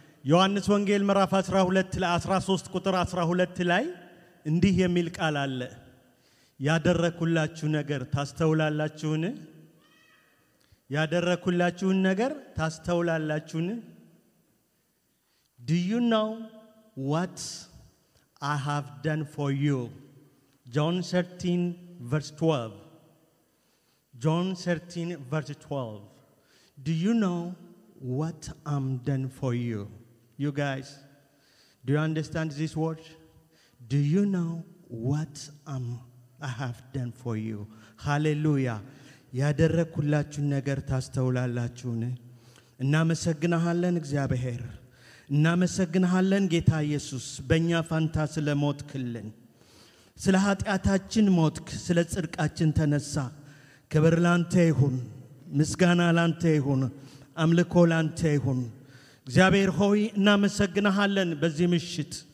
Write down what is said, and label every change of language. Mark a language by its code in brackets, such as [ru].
[am] ዮሐንስ ወንጌል ምዕራፍ 12 ላይ 13 ቁጥር 12 ላይ እንዲህ የሚል ቃል አለ ያደረኩላችሁ ነገር ታስተውላላችሁን ያደረኩላችሁ ነገር ታስተውላላችሁን [en] Do you know what I have done for you? John 13 verse 12 John 13 verse 12 Do you know what I'm done for you? You guys, do you understand this word? Do you know what I have done for you? Hallelujah. [am] ያደረኩላችሁ ነገር ታስተውላላችሁ ነ እናመሰግናለን እግዚአብሔር እናመሰግናለን ጌታ ኢየሱስ በእኛ ፋንታ ስለሞትክልን ስለ ኃጢአታችን ሞትክ ስለ ጽድቃችን ተነሳ ክብር ላንተ ይሁን ምስጋና ላንተ ይሁን አምልኮ ላንተ ይሁን እግዚአብሔር ሆይ እናመሰግናለን በዚህ ምሽት